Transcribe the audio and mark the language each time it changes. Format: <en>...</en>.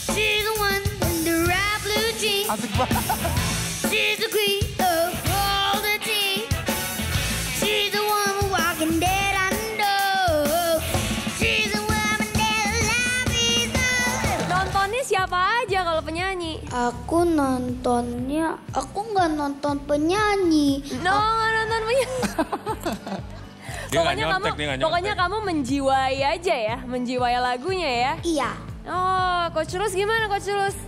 <en>She's the one in the red blue jeans.</en> <id>Asik banget.</id> <en>She's the queen of all the tea. She's the one walking dead and dull. She's the woman that love is all.</en> <id>Nontonnya siapa aja kalau penyanyi? Aku nontonnya, aku gak nonton penyanyi. No, gak nonton penyanyi. Dia pokoknya gak nyontek, kamu, pokoknya kamu menjiwai aja ya, menjiwai lagunya ya. Iya. Oh, Coach Rus gimana Coach Rus?</id>